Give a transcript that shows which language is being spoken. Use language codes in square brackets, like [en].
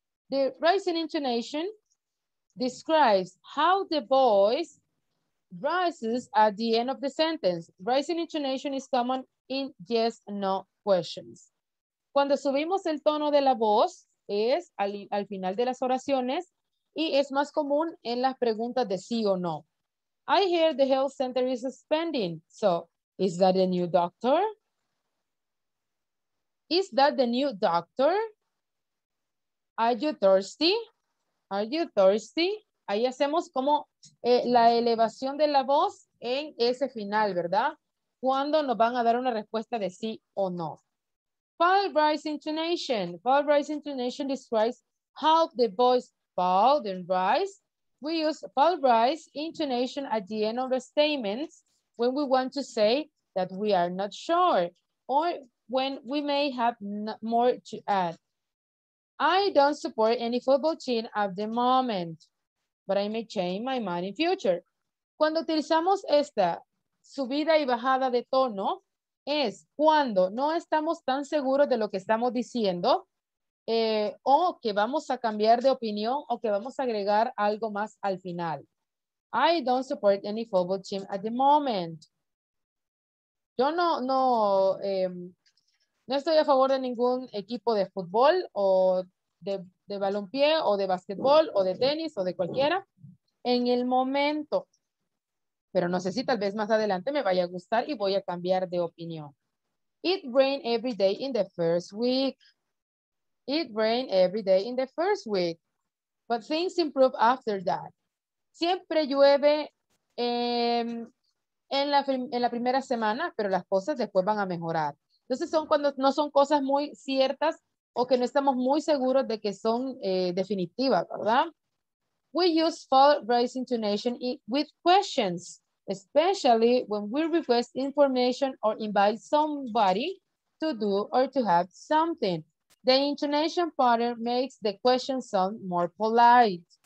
[en] The rising intonation describes how the voice rises at the end of the sentence. Rising intonation is common in yes, no questions. [es] Cuando subimos el tono de la voz, es al final de las oraciones y es más común en las preguntas de sí o no. [en] I hear the health center is expanding. So, is that a new doctor? Is that the new doctor? Are you thirsty? Are you thirsty? [es] Ahí hacemos como la elevación de la voz en ese final, ¿verdad? Cuando nos van a dar una respuesta de sí o no. [en] Fall rise intonation. Fall rise intonation describes how the voice fall then rise. We use fall rise intonation at the end of the statements when we want to say that we are not sure or when we may have more to add. I don't support any football team at the moment, but I may change my mind in future. [es] Cuando utilizamos esta subida y bajada de tono, es cuando no estamos tan seguros de lo que estamos diciendo o que vamos a cambiar de opinión o que vamos a agregar algo más al final. [en] I don't support any football team at the moment. [es] Yo no estoy a favor de ningún equipo de fútbol o de balompié o de básquetbol o de tenis o de cualquiera en el momento. Pero no sé si tal vez más adelante me vaya a gustar y voy a cambiar de opinión. [en] It rained every day in the first week. It rained every day in the first week. But things improve after that. [es] Siempre llueve en la primera semana, pero las cosas después van a mejorar. Entonces son cuando no son cosas muy ciertas o que no estamos muy seguros de que son definitivas, ¿verdad? [en] We use false intonation with questions, especially when we request information or invite somebody to do or to have something. The intonation pattern makes the question sound more polite.